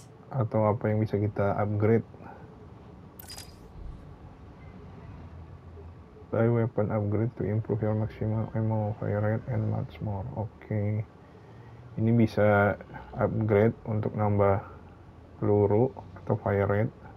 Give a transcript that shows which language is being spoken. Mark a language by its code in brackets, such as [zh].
[id] Atau apa yang bisa kita upgrade? [en] Buy weapon upgrade to improve your maximum ammo, fire rate, and much more. [id] Oke. Ini bisa upgrade untuk nambah peluru atau fire rate.